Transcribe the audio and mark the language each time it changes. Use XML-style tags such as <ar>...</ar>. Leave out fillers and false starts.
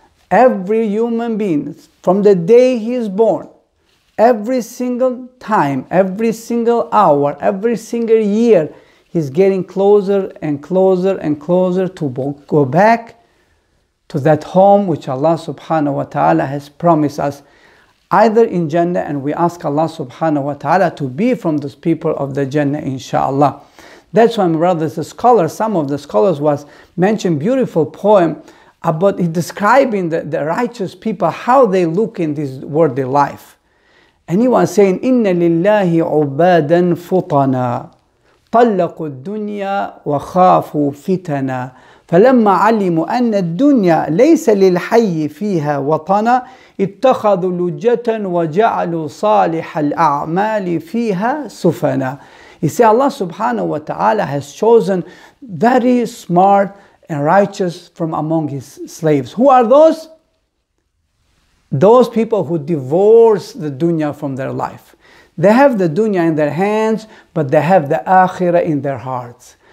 <en>Every human being, from the day he is born, every single time, every single hour, every single year, he's getting closer and closer and closer to go back to that home which Allah subhanahu wa ta'ala has promised us, either in Jannah, and we ask Allah subhanahu wa ta'ala to be from those people of the Jannah, inshallah. That's why, my brothers, the scholars, some of the scholars was mentioned beautiful poem about describing the righteous people, how they look in this worldly life. And he was saying,</en> <ar>إِنَّ لِلَّهِ عُبَادًا فُطَنَا طَلَّقُوا الدُّنْيَا وَخَافُوا فِتَنَا فَلَمَّا عَلِمُوا أَنَّ الدُّنْيَا لَيْسَ لِلْحَيِّ فِيهَا وَطَنَا اتَّخَذُوا لُجَّةً وَجَعَلُوا صَالِحَ الْأَعْمَالِ فِيهَا سُفَنَا.</ar> <en>You see, Allah subhanahu wa ta'ala has chosen very smart and righteous from among His slaves. Who are those? Those people who divorce the dunya from their life. They have the dunya in their hands, but they have the akhirah in their hearts.</en>